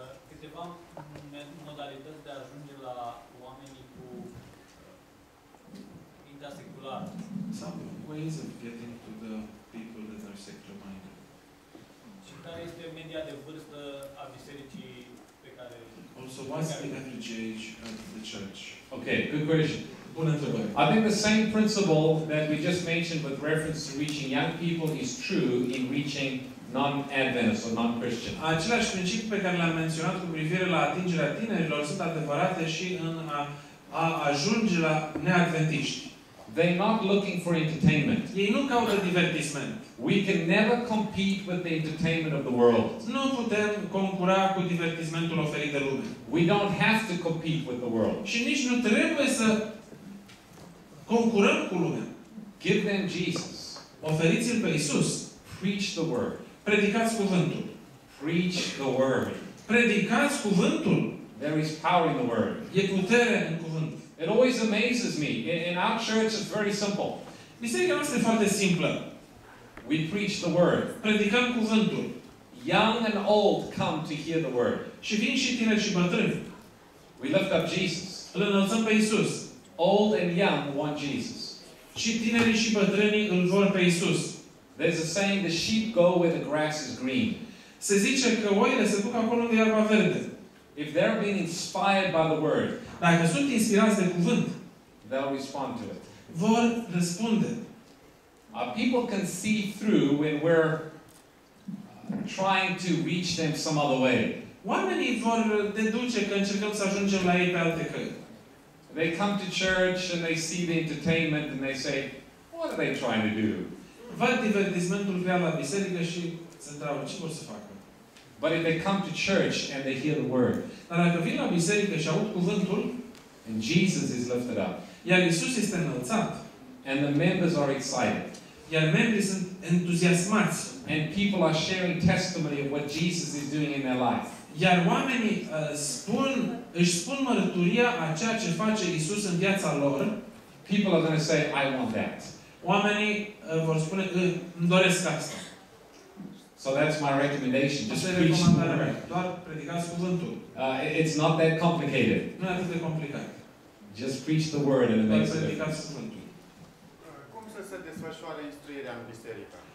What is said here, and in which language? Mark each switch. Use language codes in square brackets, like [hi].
[ro] Câteva modalități de a ajunge la oamenii cu mintea seculară. [en] Some ways of getting to the people that are secular-minded. [ro] Și care este media de vârstă a bisericii pe care... [en] Also, what's the average age of the church? Okay, good question. [ro] Bună întrebare. [en] I think the same principle that we just mentioned with reference to reaching young people is true in reaching non-Adventist or non-Christian. [ro] Același principiu pe care l-am menționat cu privire la atingerea tinerilor sunt adevărate și în a ajunge la neadventiști. [en] They're not looking for entertainment. [ro] Ei nu caută divertisment. [en] We can never compete with the entertainment of the world. [ro] Nu putem concura cu divertismentul oferit de lume. [en] We don't have to compete with the world. [ro] Și nici nu trebuie să concurăm cu lumea. [en] Give them Jesus. [ro] Oferiți-l pe Iisus. [en] Preach the word. [ro] Predicați cuvântul. [en] Preach the word. [ro] Predicați cuvântul. [en] There is power in the word. [ro] E putere în cuvânt. [en] It always amazes me. In our church it's very simple. [ro] Biserica noastră e foarte simplă. [en] We preach the word. [ro] Predicăm cuvântul. [en] Young and old come to hear the word. [ro] Și vin și tineri și bătrâni. [en] We lift up Jesus. [ro] Îl înălțăm pe Iisus. [en] Old and young want Jesus. [ro] Și tineri și bătrâni îl vor pe Iisus. [en] There's a saying, the sheep go where the grass is green. [ro] Se zice că oile se duc acolo unde iarba verde. [en] If they're being inspired by the word, [ro] dacă sunt inspirați de cuvânt, [en] they'll respond to it. [ro] Vor răspunde. [en] People can see through when we're trying to reach them some other way. [ro] Oamenii vor deduce că încercăm să ajungem la ei pe alte căi. [en] They come to church and they see the entertainment and they say, what are they trying to do? [ro] Văd divertismentul real la biserică și se întreabă, ce vor să facă? [en] But if they come to church and they hear the word, [ro] dar dacă vin la biserică și aud cuvântul, [en] and Jesus is lifted up, [ro] iar Iisus este înălțat, [en] and the members are excited, [ro] iar membrii sunt entuziasmați, [en] and people are sharing testimony of what Jesus is doing in their life, [ro] iar oamenii își spun mărturia a ceea ce face Iisus în viața lor, [en] people are going to say, I want that. [ro] Oamenii vor spune că îmi doresc asta. [en] So that's my recommendation. Just preach. [ro] Doar predicați cuvântul. [en] It's not that complicated. [ro] Nu e atât de complicat. [en] Just preach the word and amazing. [ro] Doar predicați cuvântul. Cum să se desfășoare instruirea în biserică?